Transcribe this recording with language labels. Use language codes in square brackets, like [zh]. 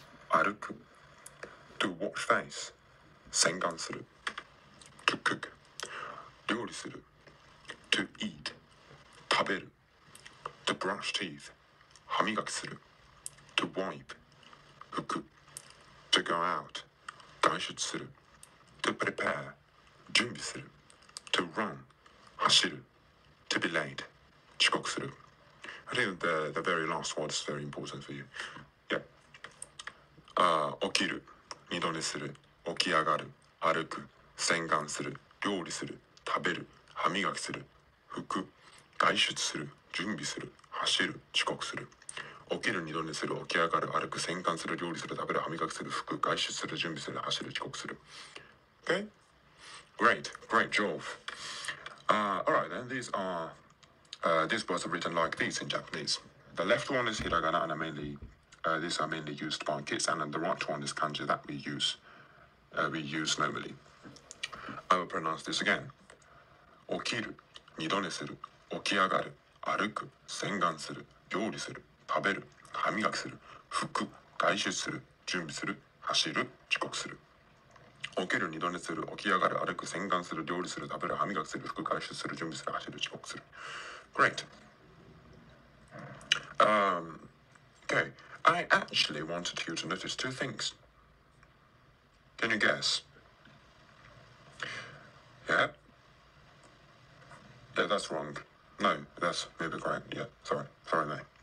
[en] 歩く, to wash face, 洗顔する, to cook, 料理する, to eat, 食べる, to brush teeth, 歯磨きする, to wipe, 拭く, to go out, 外出する, to prepare, 準備する, to run, 走る, to be late, 遅刻する. I think the very last word is very important for you. Yeah. [ja] 起きる, 二度寝する, 起き上がる, 歩く, 洗顔する, 料理する, 食べる, 歯磨きする, 拭く, 外出する, 準備する, 走る, 遅刻する. 起きる, 二度寝する, 起き上がる, 歩く, 洗顔する, 料理する, 食べる, 歯磨きする, 拭く, 外出する, 準備する, 走る, 遅刻する. [en] Okay? Great job. Alright then, these words are written like these in Japanese. The left one is hiragana, and these are mainly used by kids, and then the right one is kanji that we use normally. I will pronounce this again. [ja] 起きる, 二度寝する, 起き上がる, 歩く, 洗顔する, 料理する, 食べる, 歯磨きする, 拭く, 外出する, 準備する, 走る, 遅刻する. 起きる, 二度寝する, 起き上がる, 歩く, 洗顔する, 料理する, 食べる, 歯磨きする, 拭く, 外出する, 準備する, 走る, 遅刻する. [en] Great. Okay. I actually wanted you to notice two things. Can you guess? Yeah, that's wrong. No, that's maybe correct. Yeah, sorry, mate.